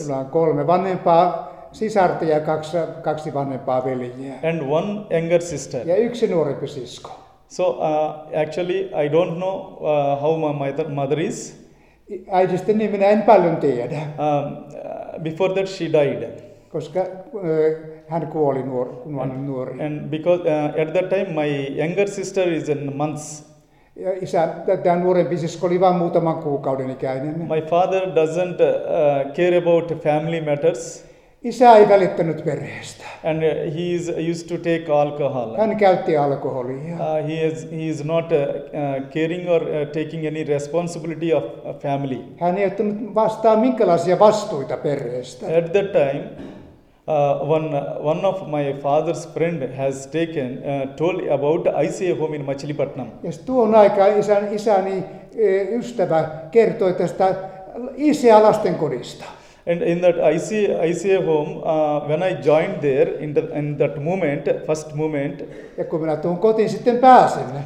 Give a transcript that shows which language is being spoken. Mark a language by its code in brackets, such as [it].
[fi] Minulla on kolme vanhempaa sisarta ja kaksi vanhempaa veljeä. [en] And one younger sister. [fi] Ja yksi nuorempi sisko. [en] So actually I don't know how my mother is. [fi] Äidisten niin minä en paljon tiedä. [en] Before that she died. [fi] Koska hän kuoli nuori. [en] And because at that time my younger sister is in months. [fi] Ja isä, tämä nuorempi sisko oli vain muutaman kuukauden ikäinen. [en] My father doesn't care about family matters. [fi] Isä ei välittänyt perheestä. [en] And he is used to take alcohol. [fi] Hän käytti alkoholia. [en] He is not caring or taking any responsibility of family. [fi] Hän ei ottanut vastaan minkälaisia vastuita perheestä. [en] At that time, one of my father's friend has taken told about ICA home in Machilipatnam. [fi] Yes, tuon aikaa isäni ystävä kertoi tästä ICA lastenkodista. [en] And in that ICA home, when I joined there in that first moment, [fi] ja kun minä tuun kotiin sitten pääsin.